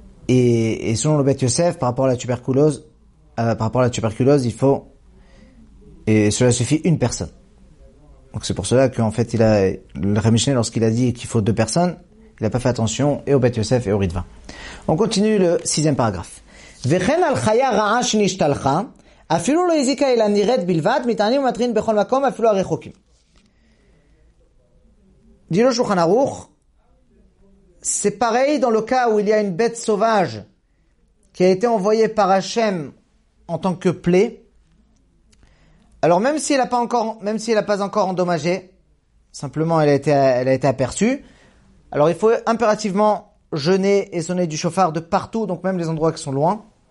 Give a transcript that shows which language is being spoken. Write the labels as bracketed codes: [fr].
[fr] Et selon le Bet Yosef, par rapport à la tuberculose, il faut, et cela suffit une personne. Donc c'est pour cela qu'en fait, le Rav Mishne, lorsqu'il a dit qu'il faut deux personnes, il n'a pas fait attention et au Bet Yosef et au Ritva. On continue le sixième paragraphe. [he] וכן על חיה רעה שנשתלחה, אפילו לא הזיקה אלא נראית בלבד, מתענים ומטרין בכל מקום, אפילו הרחוקים. דיל שולחן ערוך, [fr] c'est pareil dans le cas où il y a une bête sauvage qui a été envoyée par Hachem en tant que plaie. Alors même si elle n'a pas encore endommagé, simplement elle a été aperçue, alors il faut impérativement jeûner et sonner du shofar de partout, donc même les endroits qui sont loin.